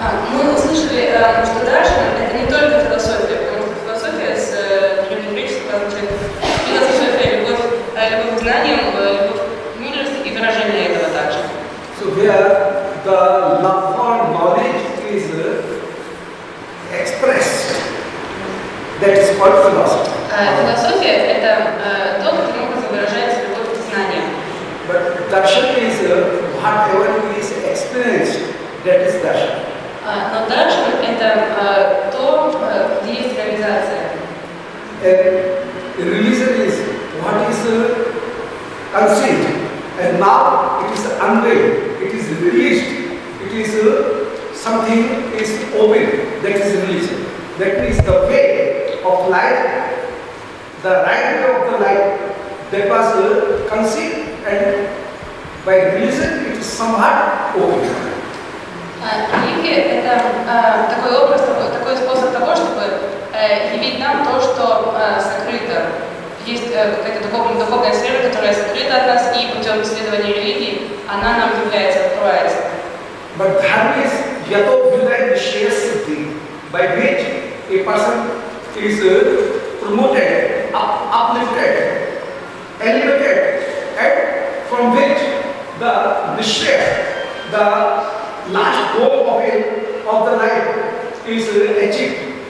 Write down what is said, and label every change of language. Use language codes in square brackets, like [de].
[ru] Мы услышали, что даршан – это не только философия, потому что философия с древнегреческого означает философия, любовь к знаниям, любовь к мудрости и выражение этого также. [en] So here, the love for knowledge is expressed. That is called philosophy. [ru] Философия – это то, каким образом выражается любовь к знаниям. [en] Darshan is whatever is experienced, that is darshan. [ru] Но darshan – это то, где есть реализация. [en] And religion is what is conceived, and now it is unveiled, it is released, it is something is open, that is religion. That means the way of life, the right way of the life, that was conceived and by reason, it is somewhat open. [ru] Религия – это такой образ, такой способ того, чтобы явить нам то, что сокрыто. Есть какая-то духовная сфера, которая сокрыта от нас, и путем исследования религии она нам является, открывается. [en] But dharma is [sa] yato vyudaya shesati, [en] by which a person is promoted, uplifted, elevated, and from which the nishya, the last goal of the life is achieved.